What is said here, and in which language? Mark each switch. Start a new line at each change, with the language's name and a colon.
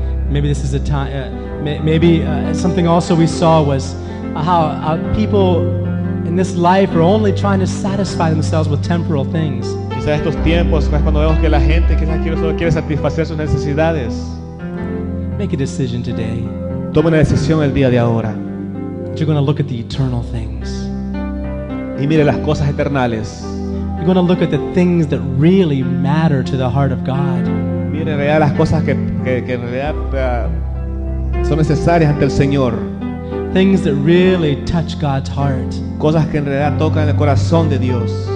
English: Maybe this is a time, something also we saw was how people in this life are only trying to satisfy themselves with temporal things.
Spanish: Quizás estos tiempos es cuando vemos que la gente quizás solo quiere satisfacer sus necesidades.
English: Make a decision today.
Spanish: Toma una decisión el día de ahora.
English: You're going to look at the eternal things.
Spanish: Y mire las cosas eternales.
English: You're going to look at the things that really matter to the heart of God.
Spanish: Mire realidad las cosas que en realidad son necesarias ante el Señor.
English: Things that really touch God's heart.
Spanish: Cosas que en realidad tocan el corazón de Dios.